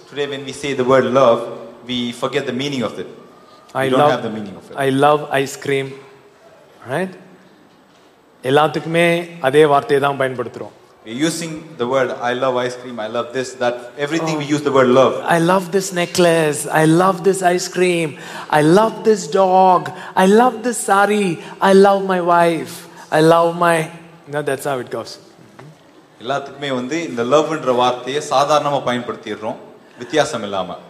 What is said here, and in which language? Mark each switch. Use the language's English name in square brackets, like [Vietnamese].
[English] Today when we say the word love, we forget the meaning of it. I love ice cream. Right? [Tamil] எல்லாத்துக்குமே அதே வார்த்தையை தான் பயன்படுத்துறோம். [English] We using the word I love ice cream, I love this, that, everything. We use the word love. I love this necklace, I love this ice cream, I love this dog, I love this sari, I love my wife, I love my, no, that's how it goes. [Tamil] எல்லாத்துக்குமே வந்து இந்த லவ்ன்ற வார்த்தையை சாதாரணமா பயன்படுத்திடுறோம், வித்தியாசம் இல்லாம.